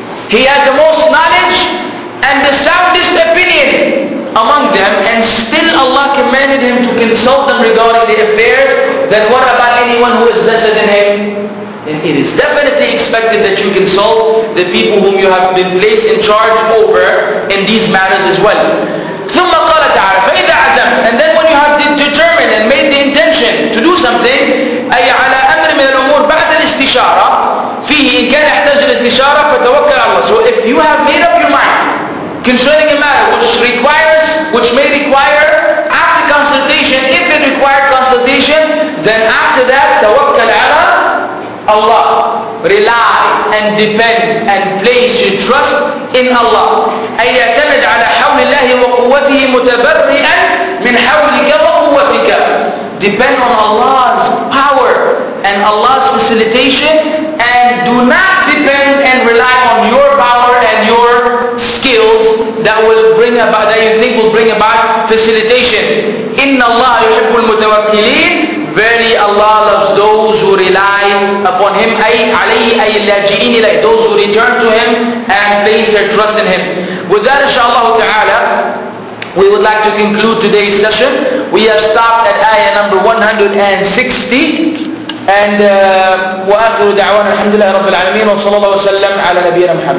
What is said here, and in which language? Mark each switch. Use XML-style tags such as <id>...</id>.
<en>He had the most knowledge and the soundest opinion among them, and still Allah commanded him to consult them regarding the affairs. Then what about anyone who is lesser than him? And it is definitely expected that you consult the people whom you have been placed in charge over in these matters as well.</en> <ar>ثُمَّ قَالَ تَعَالَى فَإِذَا عَزَمْ,</ar> <en>and then when you have determined and made the intention to do something,</en> <ar>أي على أمر من الأمور بعد الاستشارة فيه إن كان يحتاج الاستشارة فتوكل على الله.</ar> <en>So if you have made up your mind concerning a matter which may require after consultation, if it requires consultation, then after that</en> <ar>توكل على</ar> <en>Allah. Rely and depend and place your trust in Allah.</en> <ar>أي يعتمد على حول الله وقوته متبرئا من حولك وقوتك.</ar> <en>Depend on Allah's power and Allah's facilitation, and do not depend and rely on your power and your skills that will bring about, that you think will bring about facilitation.</en> <ar>إن الله يحب المتوكلين.</ar> <en>Verily Allah loves those who rely upon Him,</en> <ar>أي عليه أي اللاجئين إليه,</ar> <en>those who return to Him and place their trust in Him. With that, inshallah ta'ala, we would like to conclude today's session. We have stopped at ayah number 160.</en> <ar>And وآخر دعوانا الحمد لله رب العالمين, وصلى الله وسلم على نبينا محمد.</ar>